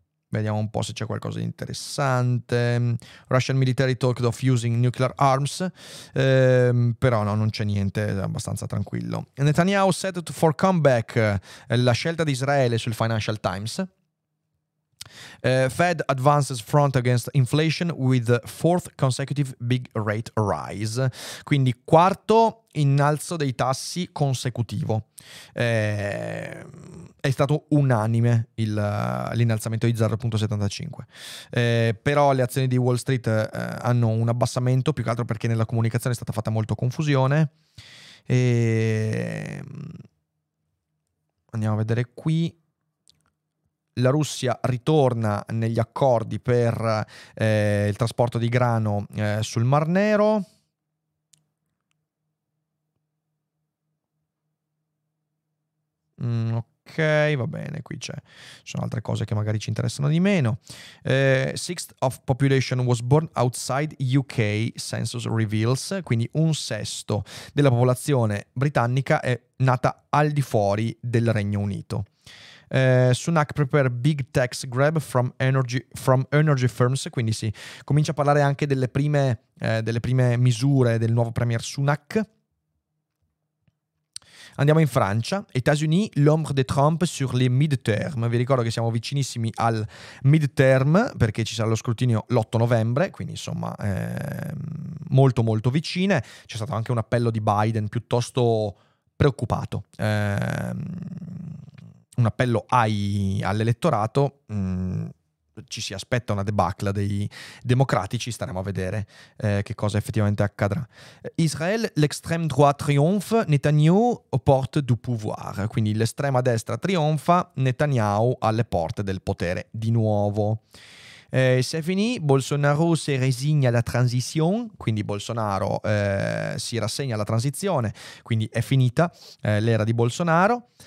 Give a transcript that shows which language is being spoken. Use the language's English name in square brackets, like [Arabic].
[Italian] Vediamo un po' se c'è qualcosa di interessante. [English] Russian military talked of using nuclear arms. [Italian] Però no, non c'è niente, è abbastanza tranquillo. [English] Netanyahu set for comeback. [Italian] La scelta di Israele sul Financial Times. [English] Fed advances front against inflation with fourth consecutive big rate rise. [Italian] Quindi quarto innalzo dei tassi consecutivo. È stato unanime l'innalzamento di 0.75. Però le azioni di Wall Street hanno un abbassamento, più che altro perché nella comunicazione è stata fatta molto confusione. Andiamo a vedere qui. La Russia ritorna negli accordi per il trasporto di grano sul Mar Nero. Ok, va bene, qui c'è. Ci sono altre cose che magari ci interessano di meno. [English] Sixth of population was born outside UK, census reveals. [Italian] Quindi un sesto della popolazione britannica è nata al di fuori del Regno Unito. [English] Sunak prepare big tax grab from energy firms, [Italian] quindi si comincia a parlare anche delle prime misure del nuovo premier Sunak. Andiamo in Francia, [French] États-Unis, l'ombre de Trump sur les midterm. [Italian] Vi ricordo che siamo vicinissimi al midterm perché ci sarà lo scrutinio l'8 novembre, quindi insomma molto molto vicine. C'è stato anche un appello di Biden piuttosto preoccupato, un appello all'elettorato. Ci si aspetta una debacle dei democratici, staremo a vedere che cosa effettivamente accadrà. [French] Israel, l'extrême droite triomphe, Netanyahu aux portes du pouvoir. [Italian] Quindi l'estrema destra trionfa, Netanyahu alle porte del potere di nuovo. [French] C'est fini, Bolsonaro se résigne à la transition, [Italian] quindi Bolsonaro si rassegna alla transizione, quindi è finita l'era di Bolsonaro.